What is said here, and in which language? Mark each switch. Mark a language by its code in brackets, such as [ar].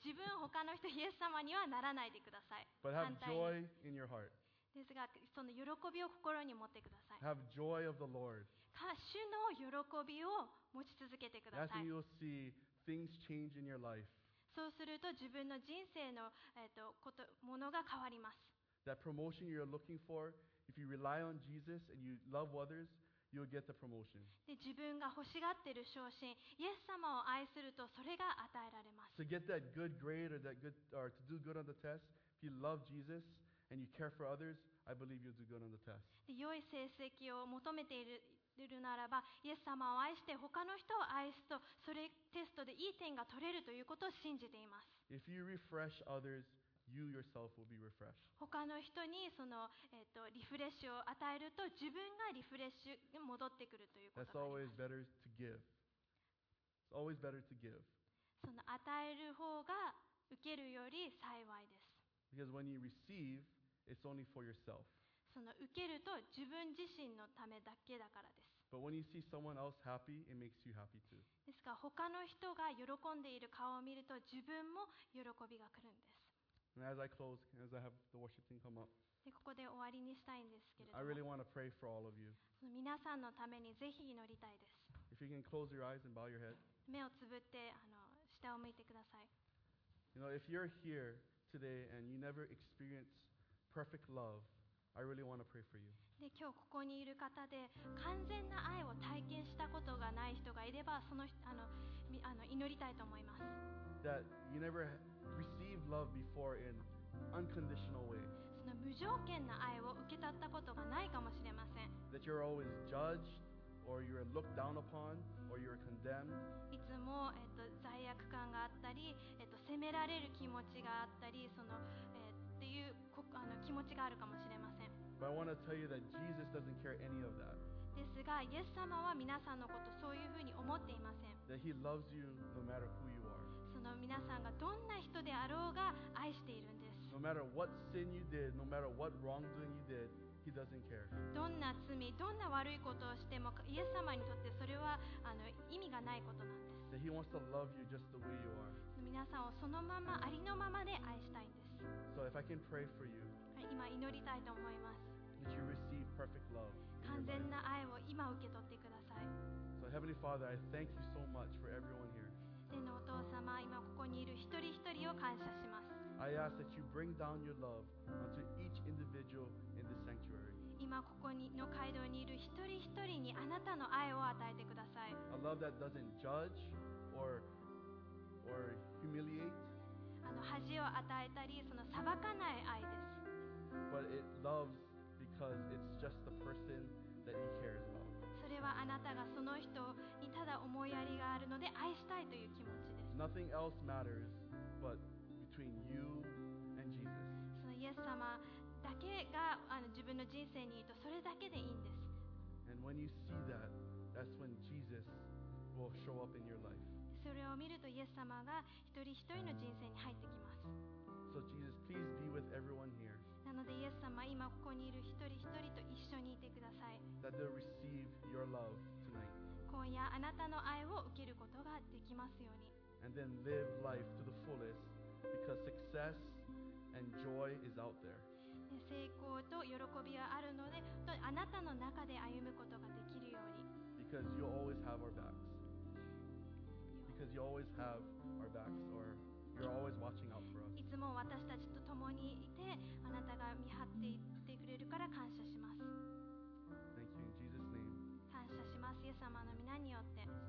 [ja] 自分他の人イエス様にはならないでください。 [en] But have joy in your heart. [ja] ですが、その喜びを心に持ってください。 [en] Have joy of the Lord. [ja] 主の喜びを持ち続けてください。 [en] That's when you'll see things change in your life. [ja] そうすると自分の人生の、ものが変わります。 [en] That promotion you're looking for, if you rely on Jesus and you love others,You'll get the promotion. [ja] で、自分が欲しがっている昇進、イエス様を愛するとそれが与えられます。 [en] To get that good grade or that good or to do good on the test, if you love Jesus and you care for others, I believe you'll do good on the test. [ja] で、良い成績を求めているならば、イエス様を愛して他の人を愛すと、それテストでいい点が取れるということを信じています。 [en] If you refresh others,You yourself will be refreshed. [ja] 他の人にその、リフレッシュを与えると自分がリフレッシュに戻ってくるということです。 [en] That's always better to give. It's always better to give. [ja] その与える方が受けるより幸いです。 [en] Because when you receive, it's only for yourself. [ja] その受けると自分自身のためだけだからです。 [en] But when you see someone else happy, it makes you happy too. [ja] ですが、他の人が喜んでいる顔を見ると自分も喜びが来るんです。 [en] And as I close, as I have the worship team come up, [ja] ここで終わりにしたいんですけれども、 [en] I really want to pray for all of you. [ja] 皆さんのためにぜひ祈りたいです。 [en] If you can close your eyes and bow your head. [ja] 目をつぶって下を向いてください。 [en] You know, if you're here today and you never experienced perfect love, I really want to pray for you. [ja] で、今日ここにいる方で完全な愛を体験したことがない人がいれば、その祈りたいと思います。 [en] That you never received love before in unconditional way. [ja] その無条件な愛を受け取ったことがないかもしれません。 [en] That you're always judged, or you're looked down upon, or you're condemned. [ja] いつも罪悪感があったり、責められる気持ちがあったり、っていう気持ちがあるかもしれません。 [en] But I want to tell you that Jesus doesn't care any of that. [ja] ですが、イエス様は皆さんのことそういうふうに思っていません。 [en] That he loves you no matter who you are. [ja] その皆さんがどんな人であろうが愛しているんです。 [en] No matter what sin you did, no matter what wrongdoing you did, he doesn't care. [ja] どんな罪、どんな悪いことをしても、イエス様にとってそれは意味がないことなんです。 [en] That he wants to love you just the way you are. [ja] 皆さんをそのままありのままで愛したいんです。 [en] So if I can pray for you, [ja] 今祈りたいと思います。 [en] That you receive perfect love. [ja] 完全な愛を今受け取ってください。 [en] So Heavenly Father, I thank you so much for everyone here. [ja] 天のお父様、今ここにいる一人一人を感謝します。 [en] I ask that you bring down your love onto each individual in this sanctuary. [ja] 今ここの会堂にいる一人一人にあなたの愛を与えてください。 [en] A love that doesn't judge or humiliate. [ja] 恥を与えたり、その裁かない愛です。 [en] But it loves because it's just the person that it cares about. [ja] それはあなたがその人にただ思いやりがあるので愛したいという気持ちです。 [en] Nothing else matters but between you and Jesus. [ja] そのイエス様だけが自分の人生にいるとそれだけでいいんです。 [en] And when you see that, that's when Jesus will show up in your life. [ja] それを見るとイエス様が一人一人の人生に入ってきます。 [en] So Jesus, please be with everyone here. [ja] なのでイエス様、今ここにいる一人一人と一緒にいてください。 [en] That they'll receive your love tonight. [ja] 今夜あなたの愛を受けることができますように。 [en] And then live life to the fullest, because success and joy is out there. [ja] 成功と喜びはあるので、あなたの中で歩むことができるように。 [en] Because you'll always have our backs. because you always have our backs or you're always watching out for us. [ja] いつも私たちと共にいて、あなたが見張っていってくれるから感謝します。 [en] Thank you in Jesus' name. [ja] 感謝します、イエス様の皆によって。